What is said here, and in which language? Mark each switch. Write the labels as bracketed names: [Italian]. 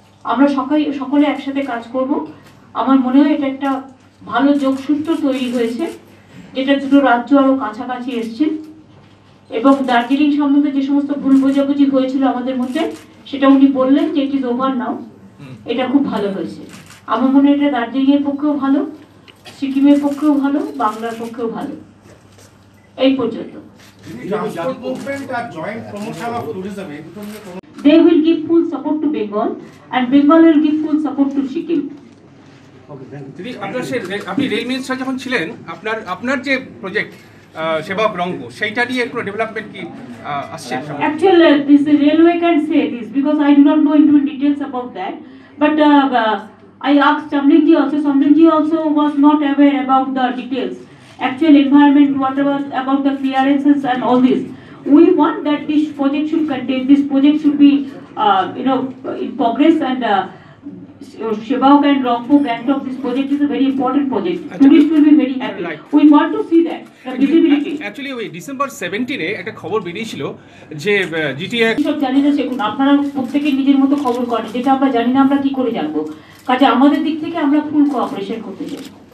[Bangla] আমরা সকলে একসাথে কাজ করব। আমার মনে হয় এটা একটা ভালো যোগসূত্র তৈরি হয়েছে, যেটা দুটো রাজ্য আরও কাছাকাছি এসছে, এবং দার্জিলিং সম্বন্ধে যে সমস্ত ভুল বোঝাবুঝি হয়েছিল আমাদের মধ্যে, সেটা উনি বললেন যে [English] it is over now, [Bangla] এটা খুব ভালো হয়েছে। আমার মনে হয় এটা দার্জিলিংয়ের পক্ষেও ভালো, সিকিমের পক্ষেও ভালো, বাংলার পক্ষেও ভালো। এই পর্যন্ত [English] they will give full support to Bengal and Bengal will give full support to Sikkim. [Bangla] দিদি, আপনার সে আপনি রেল মিনিস্টার যখন ছিলেন, আপনার আপনার যে প্রজেক্ট সেবক রঙ্গ, সেইটা নিয়ে একটু ডেভেলপমেন্ট কি আসছে? [English] Actually, this the railway can say this because I do not know into details about that. But I asked Chamlingji also. Chamlingji also was not aware about the details. Actual environment, whatever about the clearances and all this. We want that this project should contain, this project should be you know, in progress, and Shebaok and Rongpo Gangtok, this project is a very important project. Tourists will be very happy. We want to see that, the visibility. Actually, we December 17 [Bangla] এ একটা খবর বেরিয়েছিল যে GTA সব জানি না, সেগুন আপনারা প্রত্যেকে নিজের মতো খবর করেন, যেটা আমরা জানি না আমরা কি করে জানবো। কাজে আমাদের দিক থেকে আমরা ফুল কোঅপারেশন করতে চাই।